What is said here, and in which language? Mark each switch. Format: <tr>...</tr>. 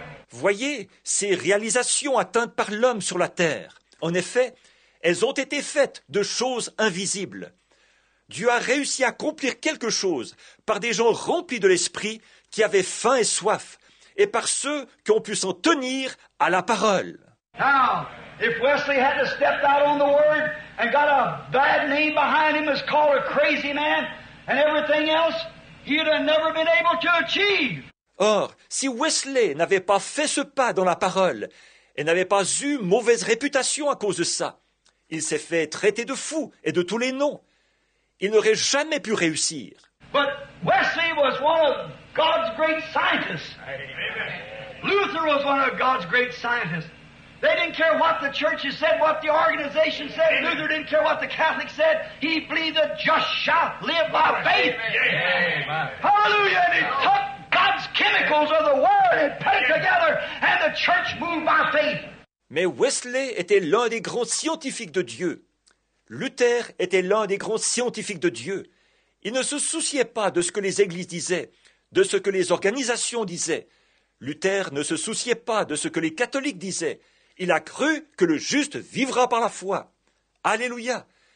<fr>Voyez ces réalisations atteintes par l'homme sur la terre. En effet, elles ont été faites de choses invisibles. Dieu a réussi à accomplir quelque chose par des gens remplis de l'esprit qui avaient faim et soif, et par ceux qui ont pu s'en tenir à la parole.</fr> <en>Now, if Wesley had to step out on the word and got a bad name behind him as called a crazy man and everything else, he'd have never been able to achieve.</en> <fr>Or, si Wesley n'avait pas fait ce pas dans la parole et n'avait pas eu mauvaise réputation à cause de ça, il s'est fait traiter de fou et de tous les noms. Il n'aurait jamais pu réussir.</fr> <en>But Wesley was one of God's great scientists. Luther was one of God's great scientists. They didn't care what the churches said, what the organization said. Amen. Luther didn't care what the Catholics said. He believed that just shall live by faith. Amen. Hallelujah. And he took God's chemicals of the Word and put it together, and the church moved by faith.</en> <fr>Mais Wesley était l'un des grands scientifiques de Dieu. Luther était l'un des grands scientifiques de Dieu. Il ne se souciait pas de ce que les églises disaient, de ce que les organisations disaient. Luther ne se souciait pas de ce que les catholiques disaient. Il a cru que le juste vivra par la foi. Alléluia.</fr>